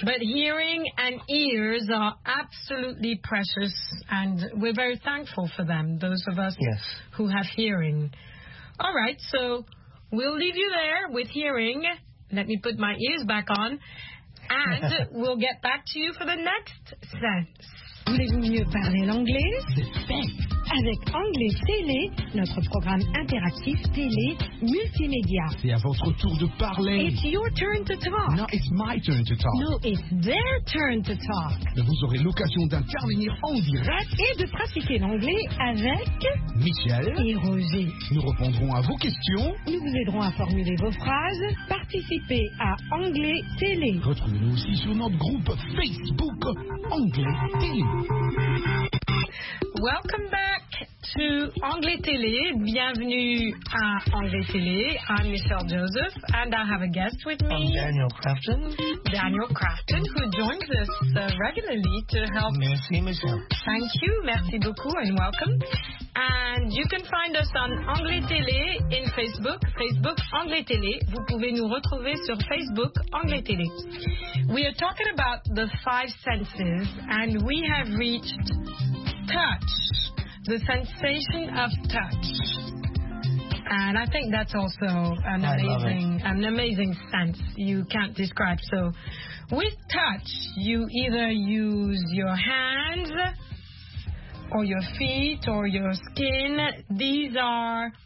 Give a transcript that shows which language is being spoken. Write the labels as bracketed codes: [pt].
[en] But hearing and ears are absolutely precious, and we're very thankful for them, those of us yes. who have hearing. All right, so we'll leave you there with hearing. Let me put my ears back on, and we'll get back to you for the next sense. [fr] Voulez-vous mieux parler l'anglais? Avec Anglais Télé, notre programme interactif télé multimédia. C'est à votre tour de parler. [en] It's your turn to talk. No, it's my turn to talk. No, it's their turn to talk. [fr] Mais vous aurez l'occasion d'intervenir en direct et de pratiquer l'anglais avec Michel et Roger. Nous répondrons à vos questions. Nous vous aiderons à formuler vos phrases. Participez à Anglais Télé. Retrouvez-nous aussi sur notre groupe Facebook Anglais Télé. [en] Welcome back to Anglais Télé. [fr] Bienvenue à Anglais Télé. [en] I'm Michelle Joseph, and I have a guest with me. I'm Daniel Crafton. Daniel Crafton, who joins us regularly to help. [fr] Merci, Michelle. [en] Thank you. [fr] Merci beaucoup, [en] and welcome. And you can find us on Anglais Télé in Facebook, Facebook Anglais Télé. [fr] Vous pouvez nous retrouver sur Facebook Anglais Télé. [en] We are talking about the five senses, and we have reached touch, the sensation of touch. And I think that's also an amazing sense you can't describe. So with touch, you either use your hands or your feet or your skin. These are